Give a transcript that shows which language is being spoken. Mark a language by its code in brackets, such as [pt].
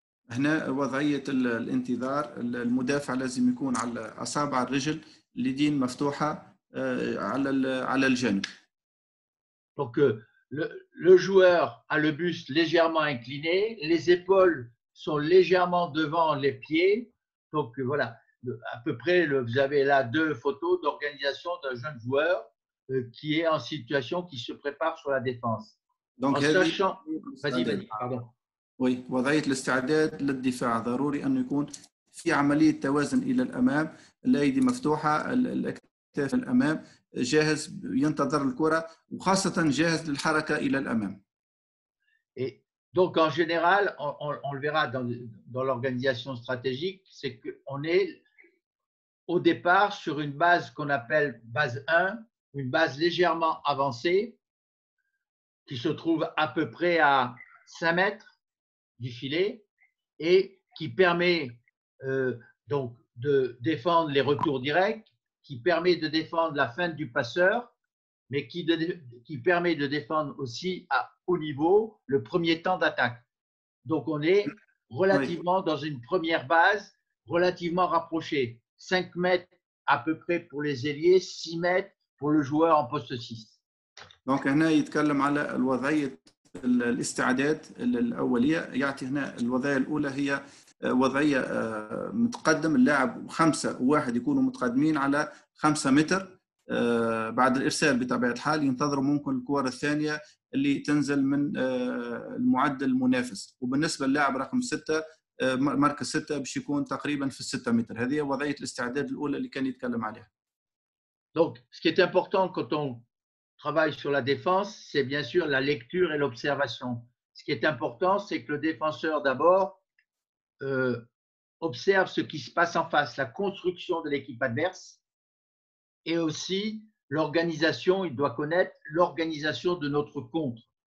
[ar] هنا وضعية الانتظار المدافع لازم يكون على أصابع الرجل اليدين مفتوحة على الجانب. [fr] Donc le joueur a le buste légèrement incliné, les épaules sont légèrement devant les pieds. Donc voilà, à peu près vous avez là deux photos d'organisation d'un jeune joueur qui est en situation qui se prépare sur la défense. Donc en sachant, vas-y, pardon. Oui, [ar] وضعية الاستعداد للدفاع ضروري أن يكون في عملية توازن إلى الأمام الأيدي مفتوحة الأكتاف الأمام جاهز ينتظر الكرة وخاصة جاهز للحركة إلى الأمام. [fr] Et donc en général, on le verra dans l'organisation stratégique, c'est qu'on est au départ sur une base qu'on appelle base 1, une base légèrement avancée qui se trouve à peu près à 5 mètres du filet et qui permet donc de défendre les retours directs, qui permet de défendre la feinte du passeur, mais qui permet de défendre aussi à haut niveau le premier temps d'attaque. Donc on est relativement dans une première base relativement rapprochée, 5 mètres à peu près pour les ailiers, 6 mètres pour le joueur en poste 6. Donc là, il parle de la situation. [ar] الاستعدادات الأولية يعطي هنا الوضعية الأولى هي وضعية متقدم اللاعب خمسة واحد يكونوا متقدمين على خمسة متر بعد الإرسال بطبيعة الحال ينتظر ممكن الكرة الثانية اللي تنزل من المعدل المنافس وبالنسبة للاعب رقم ستة مركز ستة باش يكون تقريبا في الستة متر هذه وضعية الاستعداد الأولى اللي كان يتكلم عليها. [fr] Donc, ce qui est important quand on travail sur la défense, c'est bien sûr la lecture et l'observation. Ce qui est important, c'est que le défenseur d'abord observe ce qui se passe en face, la construction de l'équipe adverse et aussi l'organisation, il doit connaître l'organisation de notre contre.